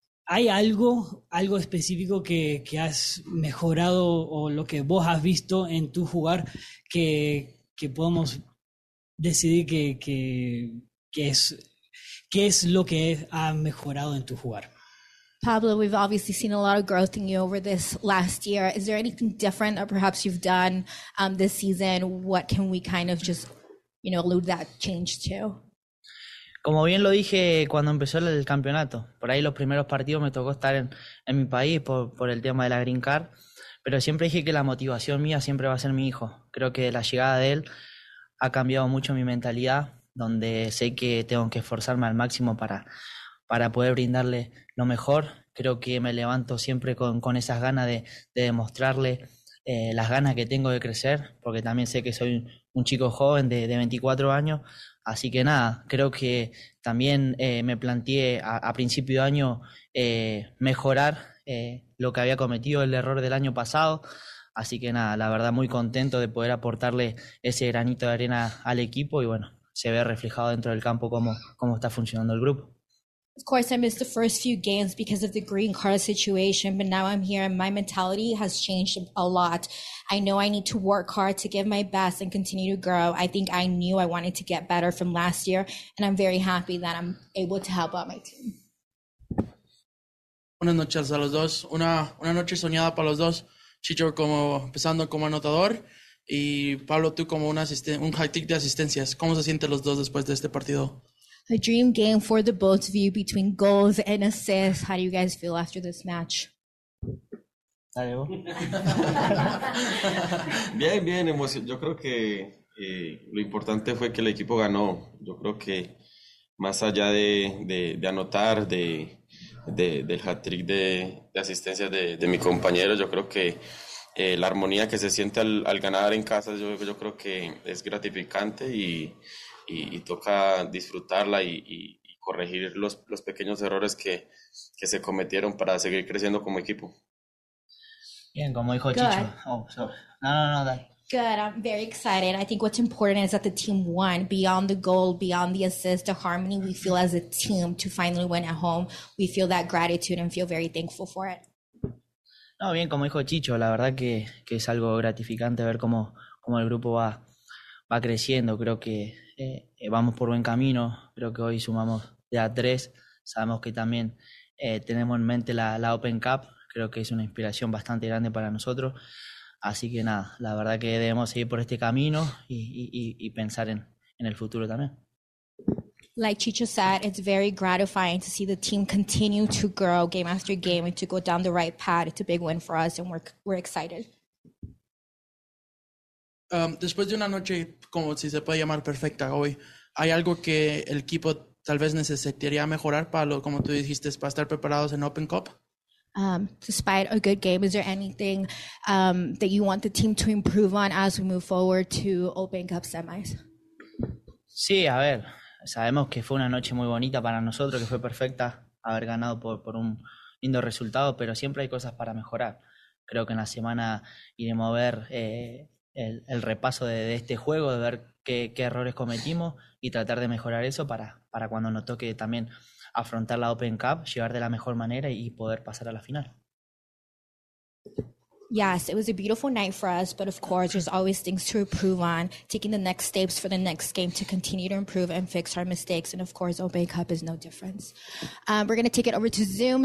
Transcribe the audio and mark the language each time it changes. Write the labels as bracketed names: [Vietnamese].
[Spanish] ¿Hay algo específico que has mejorado o lo que vos has visto en tu jugar que podemos decidir que es lo que ha mejorado en tu jugar? [English] Pablo, we've obviously seen a lot of growth in you over this last year. Is there anything different that perhaps you've done this season? What can we kind of just, you know, allude that change to? [Spanish] Como bien lo dije cuando empezó el campeonato, por ahí los primeros partidos me tocó estar en mi país por el tema de la Green Card, pero siempre dije que la motivación mía siempre va a ser mi hijo. Creo que la llegada de él ha cambiado mucho mi mentalidad, donde sé que tengo que esforzarme al máximo para poder brindarle lo mejor. Creo que me levanto siempre con esas ganas de demostrarle las ganas que tengo de crecer, porque también sé que soy un chico joven de 24 años. Así que nada, creo que también me planteé a principio de año mejorar lo que había cometido el error del año pasado. Así que nada, la verdad muy contento de poder aportarle ese granito de arena al equipo y bueno, se ve reflejado dentro del campo cómo está funcionando el grupo. [English] Of course, I missed the first few games because of the green card situation, but now I'm here and my mentality has changed a lot. I know I need to work hard to give my best and continue to grow. I think I knew I wanted to get better from last year, and I'm very happy that I'm able to help out my team. [Spanish] Buenas noches a los dos. Una noche soñada para los dos. Chicho como empezando como anotador y Pablo tú como un hat-trick de asistencias. ¿Cómo se sienten los dos después de este partido? [English] A dream game for the both of you between goals and assists. How do you guys feel after this match? [Spanish] Bien, bien, emoción. Yo creo que lo importante fue que el equipo ganó. Yo creo que más allá de anotar, del hat-trick de asistencia de mi compañero, yo creo que la armonía que se siente al ganar en casa, yo creo que es gratificante y toca disfrutarla y corregir los pequeños errores que se cometieron para seguir creciendo como equipo. Bien, como dijo Chicho. [English] Oh, sorry. [Spanish] No, dale. [English] Good, I'm very excited. I think what's important is that the team won. Beyond the goal, beyond the assist, the harmony we feel as a team to finally win at home, we feel that gratitude and feel very thankful for it. [Spanish] No, bien, como dijo Chicho, la verdad que es algo gratificante ver cómo el grupo va creciendo. Creo que vamos por buen camino, creo que hoy sumamos de a tres, sabemos que también tenemos en mente la Open Cup, creo que es una inspiración bastante grande para nosotros, así que nada, la verdad que debemos seguir por este camino y pensar en el futuro también. [English] Like Chicho said, it's very gratifying to see the team continue to grow game after game and to go down the right path. It's a big win for us and we're excited. [Spanish] Después de una noche, como si se puede llamar perfecta hoy, ¿hay algo que el equipo tal vez necesitaría mejorar para, como tú dijiste, para estar preparados en Open Cup? [English] Despite a good game, is there anything that you want the team to improve on as we move forward to Open Cup semis? [Spanish] Sí, a ver, sabemos que fue una noche muy bonita para nosotros, que fue perfecta haber ganado por un lindo resultado, pero siempre hay cosas para mejorar. Creo que en la semana iremos a ver el repaso de este juego, de ver qué errores cometimos y tratar de mejorar eso para cuando nos toque también afrontar la Open Cup, llegar de la mejor manera y poder pasar a la final. [English] Yes, it was a beautiful night for us, but of course, there's always things to improve on, taking the next steps for the next game to continue to improve and fix our mistakes. And of course, Open Cup is no difference. We're going to take it over to Zoom.